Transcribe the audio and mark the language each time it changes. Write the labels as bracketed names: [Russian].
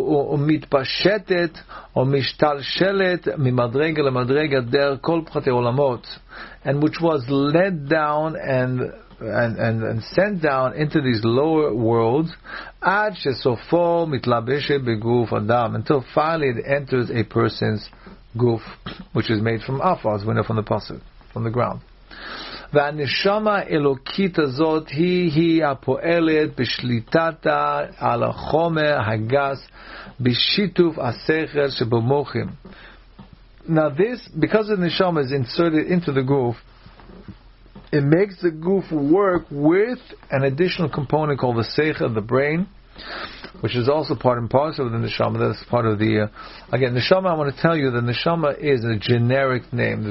[Hebrew] ומתפשטת או משתלשלת ממדרגה למדרגה דרך כל פחתי עולמות, [English] and which was led down and sent down into these lower worlds [Hebrew] עד שסופו מתלבשת בגוף אדם, [English] until finally it enters a person's goof, which is made from afar, as we know from the pasuk, from the ground. [Hebrew] והנשמה האלוקית הזאת היא הפועלת בשליטתה על החומר הגס בשיתוף השכל שבמוחים. [English] Now this, because the neshama is inserted into the goof, it makes the goof work with an additional component called the seichel, the brain, which is also part and parcel of the neshama. That's part of the again, neshama, I want to tell you that neshama is a generic name.